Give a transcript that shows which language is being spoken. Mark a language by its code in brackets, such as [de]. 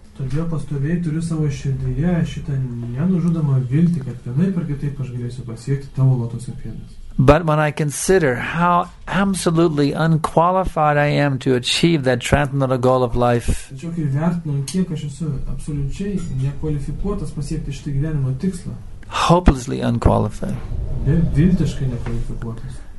[lt] Todėl pastoviai turiu savo širdyje šitą nenužudomą viltį, kad vienaip ar kitaip aš galėsiu pasiekti tavo lotoso pėdas. [en] But when I consider how absolutely unqualified I am to achieve that transcendental goal of life, [lt] tačiau kai vertinu, kiek aš esu absoliučiai nekvalifikuotas pasiekti šitą gyvenimo tikslą, [en] hopelessly unqualified, [lt] viltiškai nekvalifikuotas,